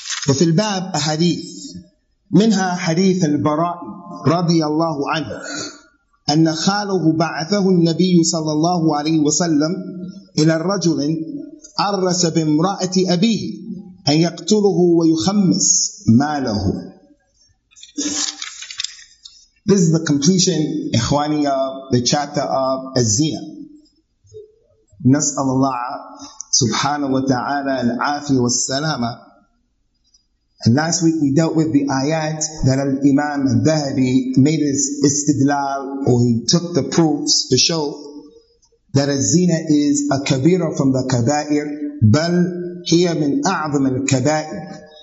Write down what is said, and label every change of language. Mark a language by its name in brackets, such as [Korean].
[Arabic] وفي الباب أحاديث، منها حديث البراء رضي الله عنه أن خاله بعثه النبي صلى الله عليه وسلم إلى رجل عرس بامرأة أبيه أن يقتله ويخمس ماله. [English] This is the completion, إخواني, of the chapter of الزنا. [Arabic] نسأل الله سبحانه وتعالى العافية والسلامة. [English] And last week we dealt with the ayat that Al-Imam Al-Dhahabi made his istidlal, or he took the proofs to show that al-zina is a kabira from the kabair, [Arabic] بل هي من أعظم الكبائر.